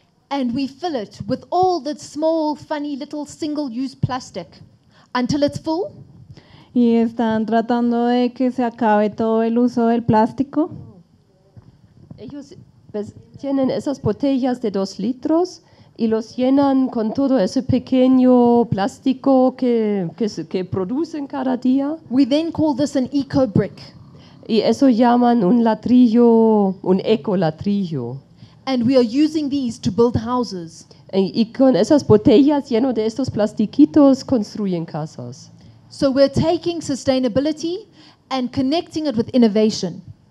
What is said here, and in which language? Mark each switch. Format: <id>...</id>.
<en>And we fill it with all the small, funny, little single-use plastic until it's full.</en> <es>Y están tratando de que se acabe todo el uso del plástico. Pues tienen esas botellas de 2 litros y los llenan con todo ese pequeño plástico que producen cada día.</es> <en>We then call this an eco brick.</en> <es>Y eso llaman un ladrillo, un eco ladrillo.</es> <en>And we are using these to build houses.</en> <es>Y con esas botellas llenas de estos plastiquitos construyen casas.</es> <en>So we're taking sustainability and connecting it with innovation.</en>